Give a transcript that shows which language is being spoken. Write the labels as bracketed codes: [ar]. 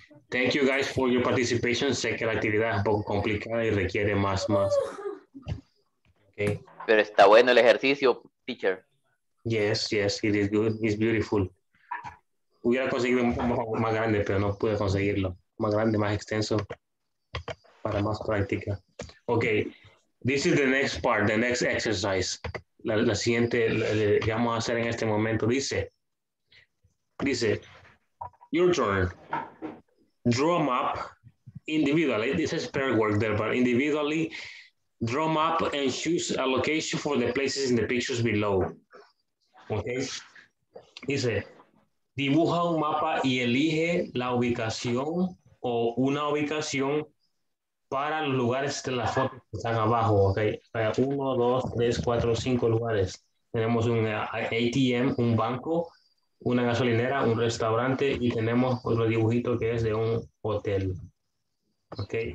[en] Thank you guys for your participation. [es] Sé que la actividad es un poco complicada y requiere más. Okay. Pero está bueno el ejercicio, teacher. [en] Yes, it is good. It's beautiful. [es] Hubiera conseguido un poco más grande, pero no pude conseguirlo. Más grande, más extenso, para más práctica. [en] Okay, this is the next part, the next exercise. [es] La siguiente que vamos a hacer en este momento. [en] Dice, your turn. Draw a map individually. This is pair work there, but individually, draw a map and choose a location for the places in the pictures below. Okay. [es] Dice, dibuja un mapa y elige la ubicación o una ubicación para los lugares de las fotos que están abajo. Okay. Uno, dos, tres, cuatro, cinco lugares. Tenemos un ATM, un banco, una gasolinera, un restaurante y tenemos otro dibujito que es de un hotel. Ok.